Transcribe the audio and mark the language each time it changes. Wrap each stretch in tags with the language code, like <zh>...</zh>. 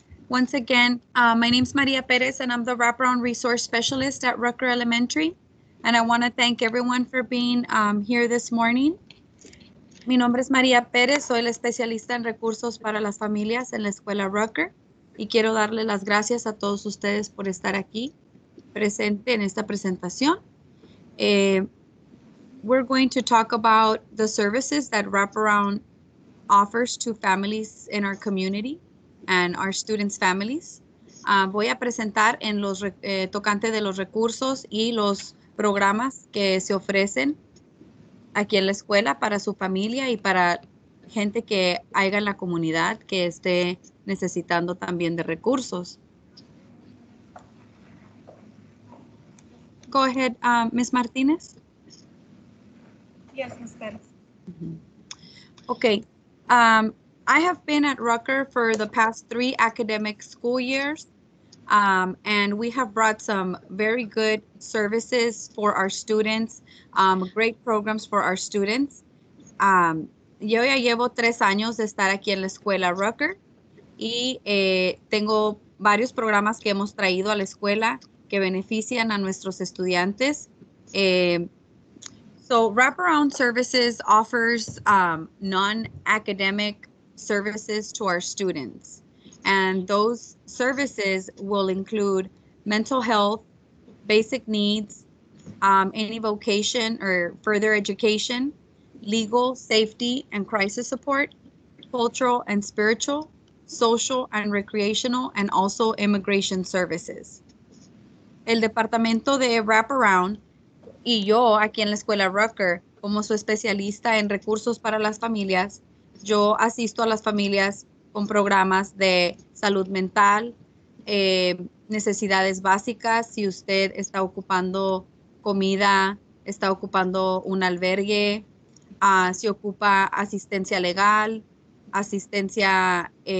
<en>Once again, my name's Maria Perez and I'm the wraparound resource specialist at Rucker Elementary. And I want to thank everyone for being here this morning.</en> <es>Mi nombre es Maria Perez, soy la especialista en recursos para las familias en la escuela Rucker. Y quiero darle las gracias a todos ustedes por estar aquí presente en esta presentación.</es> <en>We're going to talk about the services that wraparound offers to families in our community and our students' families.</en> <es>Voy a presentar en los tocante de los recursos y los programas que se ofrecen aquí en la escuela para su familia y para gente que haya en la comunidad que esté necesitando también de recursos.</es> <en>Go ahead, Ms. Martinez. Yes, Ms. Perez. Okay. I have been at Rucker for the past 3 academic school years, and we have brought some very good services for our students, great programs for our students.</en> <es>Yo ya llevo 3 años de estar aquí en la escuela Rucker, y tengo varios programas que hemos traído a la escuela que benefician a nuestros estudiantes.</es> <en>So wraparound services offers non-academic services to our students. And those services will include mental health, basic needs, any vocation or further education, legal, safety and crisis support, cultural and spiritual, social and recreational, and also immigration services.</en> <es>El departamento de wraparound y yo aquí en la escuela Rucker, como su especialista en recursos para las familias, yo asisto a las familias con programas de salud mental, necesidades básicas, si usted está ocupando comida, está ocupando un albergue, si ocupa asistencia legal, asistencia</es>